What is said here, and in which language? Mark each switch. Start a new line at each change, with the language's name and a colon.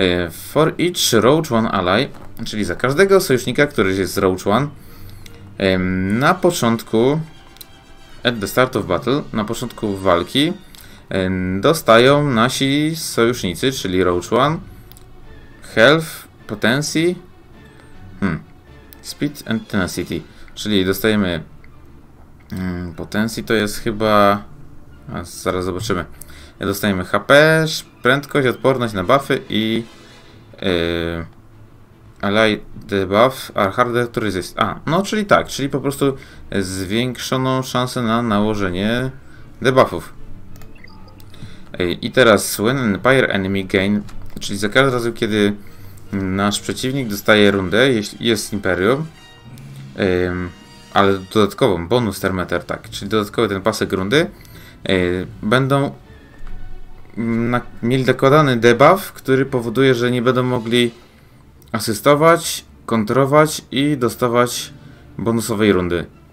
English: For each Rogue One ally,
Polish: czyli za każdego sojusznika, który jest z Rogue One, na początku,
English: at the start of battle,
Polish: na początku walki, dostają nasi sojusznicy, czyli Rogue One,
English: health, potency, speed and tenacity,
Polish: czyli dostajemy potencji to jest chyba... Zaraz zobaczymy. Dostajemy HP, prędkość, odporność na buffy i...
English: ally debuff are harder to resist.
Polish: A, no czyli tak, czyli po prostu zwiększoną szansę na nałożenie debuffów. I teraz
English: when empire enemy gain,
Polish: czyli za każdym razem, kiedy nasz przeciwnik dostaje rundę, jeśli jest imperium, ale dodatkową,
English: bonus termometer,
Polish: tak, czyli dodatkowy ten pasek rundy, będą mieli dokładany debuff, który powoduje, że nie będą mogli asystować, kontrować i dostawać bonusowej rundy.